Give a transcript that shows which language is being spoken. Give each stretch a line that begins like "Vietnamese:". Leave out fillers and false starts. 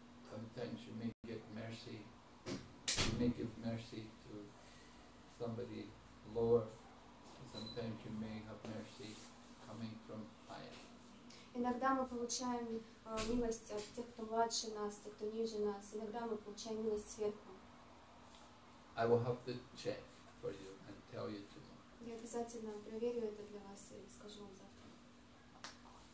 English: Sometimes you may get mercy, you may give mercy to somebody lower, sometimes you may have mercy coming from higher.
Russian: Иногда мы получаем милость от тех, кто младше нас, тех, кто ниже нас. Иногда мы получаем милость сверху.
English: I will have to check for you and tell you tomorrow.
Russian: Я обязательно проверю это для вас и скажу вам завтра.